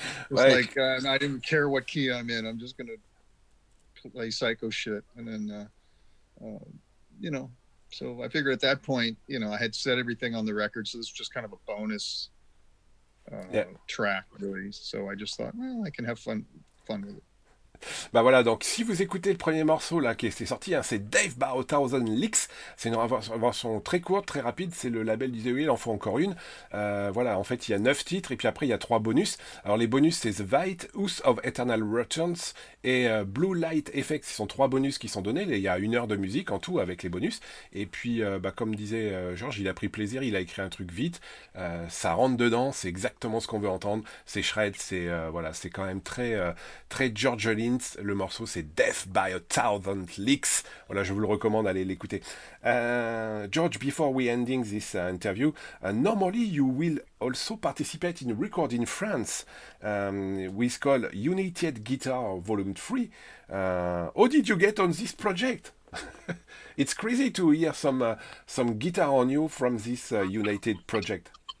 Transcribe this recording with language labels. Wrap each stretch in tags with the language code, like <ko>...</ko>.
<en>I didn't care what key I'm in. I'm just gonna play psycho shit. And then, so I figured at that point, you know, I had said everything on the record, so this was just kind of a bonus track, really. So I just thought, well, I can have fun with it.</en> <fr>Bah voilà, donc si vous écoutez le premier morceau là qui est sorti, hein, c'est Dave Barrow Thousand Licks. C'est une version très courte, très rapide. C'est le label du The Wheel, il en faut encore une. Voilà, en fait, il y a 9 titres et puis après, il y a 3 bonus. Alors les bonus, c'est The White, House of Eternal Returns et Blue Light Effect. Ce sont 3 bonus qui sont donnés. Il y a une heure de musique en tout avec les bonus. Et puis, bah, comme disait Georges, il a pris plaisir, il a écrit un truc vite. Ça rentre dedans, c'est exactement ce qu'on veut entendre. C'est shred, c'est voilà, c'est quand même très très George Lynch. Le morceau, c'est Death by a Thousand Licks. Voilà, je vous le recommande, allez l'écouter.</fr> <en>George, before we ending this interview, normally you will also participate in recording France with called United Guitar Volume 3. How did you get on this project? It's crazy to hear some guitar on you from this United project.</en>